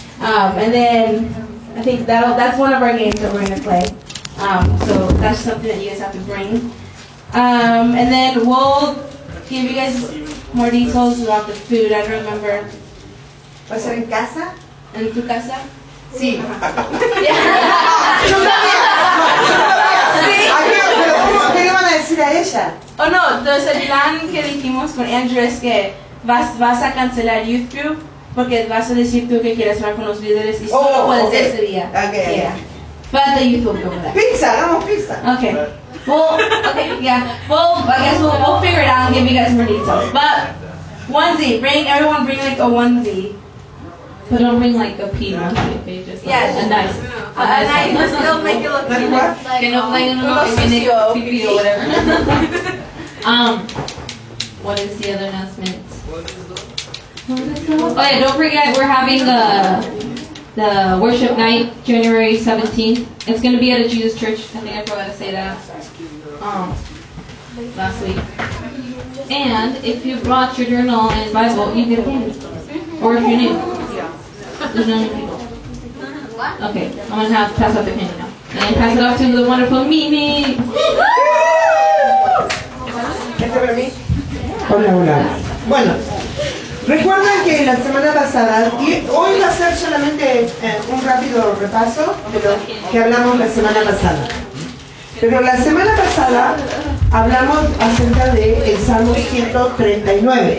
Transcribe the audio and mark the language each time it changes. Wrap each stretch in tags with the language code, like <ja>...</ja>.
<en>And then I think that's one of our games that we're going to play. So that's something that you guys have to bring. And then we'll give you guys more details about the food. I don't remember. Was it in casa?</en> <es>En tu casa? Sí. Oh no, entonces el plan que dijimos con Andrew es que vas a cancelar Youth Group porque vas a decir tú que quieres hablar con los líderes y solo puedes ir ese día.</es> <en>Okay. But the Youth Group will go</en> <es>there. Pizza, vamos pizza.</es> <en>Okay. Well, I guess we'll figure it out and give you guys more details. But onesie, everyone bring like a onesie. But don't bring like a pee onesie. Yeah, just a nice. Still make it look like you're like, don't forget, we're having the worship night January 17th. It's going to be at a Jesus church. I think I forgot to say that last week. And if you brought your journal and Bible, you get a candy. Or if you're new. There's no new people. What? Okay, I'm going to pass out the candy now. And pass it off to the wonderful Mimi. Woo!</en> <es>¿Esto para mí? Hola, hola. Bueno, recuerdan que la semana pasada, y hoy va a ser solamente un rápido repaso de lo que hablamos la semana pasada. Pero la semana pasada hablamos acerca del Salmo 139.</es>